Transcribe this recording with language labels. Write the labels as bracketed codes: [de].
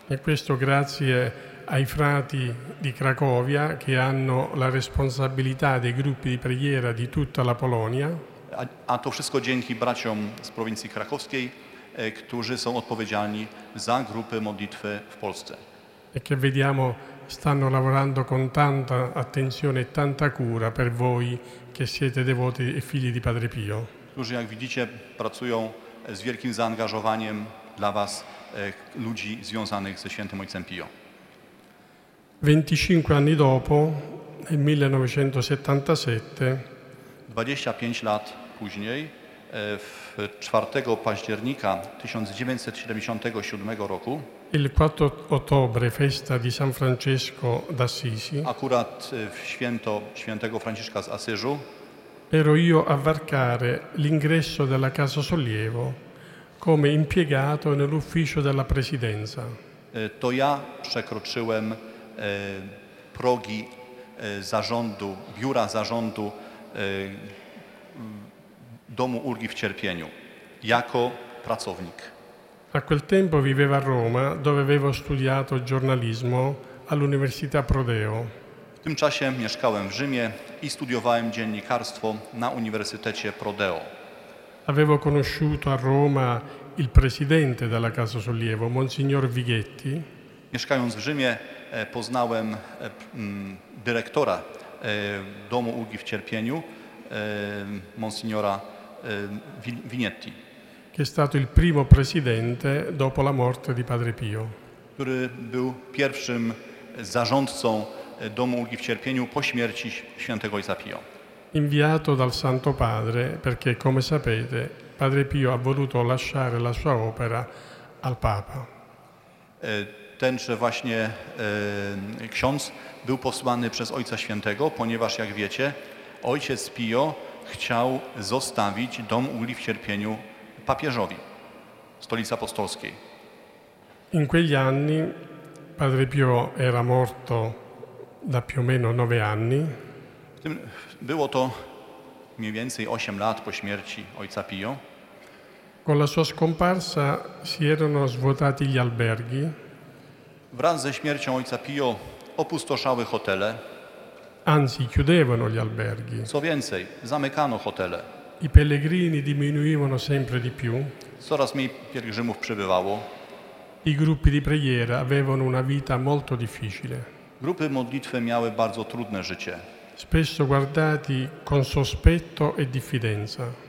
[it] E questo grazie ai frati di Cracovia, che hanno la responsabilità dei gruppi di preghiera di tutta la Polonia. [pl] A to wszystko dzięki braciom z prowincji krakowskiej, którzy są odpowiedzialni za grupy modlitwy w Polsce. [it] E che vediamo stanno lavorando con tanta attenzione e tanta cura per voi che siete devoti e figli di Padre Pio. [pl] Którzy, jak widzicie, pracują z wielkim zaangażowaniem dla was, ludzi związanych ze świętym ojcem Pio. [it] 25 anni dopo, nel 1977, [pl] 25 lat później, w 4 października 1977 roku, [it] il 4 ottobre, festa di San Francesco d'Assisi, [pl] akurat w święto świętego Franciszka z Asyżu, [it] ero io a varcare l'ingresso della Casa Sollievo come impiegato nell'ufficio della presidenza. [pl] To ja przekroczyłem progi zarządu, biura zarządu Domu Ulgi w Cierpieniu jako pracownik. [it] A quel tempo vivevo a Roma, dove avevo studiato giornalismo all'Università Prodeo. [pl] W tym czasie mieszkałem w Rzymie i studiowałem dziennikarstwo na Uniwersytecie Prodeo. [it] Avevo conosciuto a Roma il presidente della Casa Sollievo, Monsignor Vighetti. [pl] Mieszkając w Rzymie, poznałem dyrektora Domu Ulgi w Cierpieniu, Monsignora Vignetti. [it] che è stato il primo presidente dopo la morte di Padre Pio. [pl] Który był pierwszym zarządcą domu ulgi w cierpieniu po śmierci świętego ojca Pio. [it] Inviato dal Santo Padre perché, come sapete, Padre Pio ha voluto lasciare la sua opera al Papa. [pl] Tenże właśnie ksiądz był posłany przez Ojca Świętego, ponieważ, jak wiecie, ojciec Pio chciał zostawić dom ulgi w cierpieniu papieżowi, stolicy apostolskiej. [it] In quegli anni Padre Pio era morto da più o meno 9 anni. [pl] Było to mniej więcej 8 lat po śmierci ojca Pio. [it] Con la sua scomparsa si erano svuotati gli alberghi. [pl] Wraz ze śmiercią ojca Pio opustoszały hotele. [it] Anzi, chiudevano gli alberghi. [pl] Co więcej, zamykano hotele. [it] I pellegrini diminuivano sempre di più. [pl] Coraz mniej pielgrzymów przybywało. [it] I gruppi di preghiera avevano una vita molto difficile. [pl] Grupy modlitwy miały bardzo trudne życie. [it] Spesso guardati con sospetto e diffidenza.